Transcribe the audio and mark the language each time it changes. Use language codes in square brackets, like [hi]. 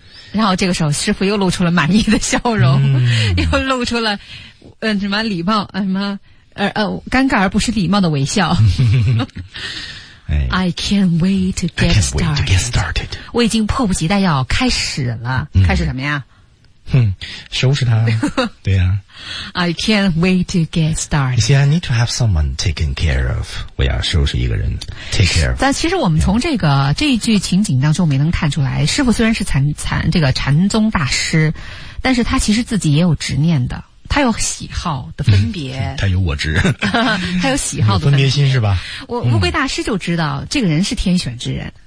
[zh] 然后这个时候师傅又露出了满意的笑容、又露出了什么礼貌什么尴尬而不失礼貌的微笑。哎、 [en] I can't wait to get started. [zh] 我已经迫不及待要开始了、开始什么呀？哼，收拾他，对呀、 [en] 啊。I can't wait to get started. You see, I need to have someone taken care of. [zh] 我要收拾一个人 ， [en] take care of. [zh] 但其实我们从这个、这一句情景当中，没能看出来，师傅虽然是禅宗大师，但是他其实自己也有执念的，他有喜好的分别，他有我执，他有喜好的分别心是吧？我乌龟大师就知道、这个人是天选之人。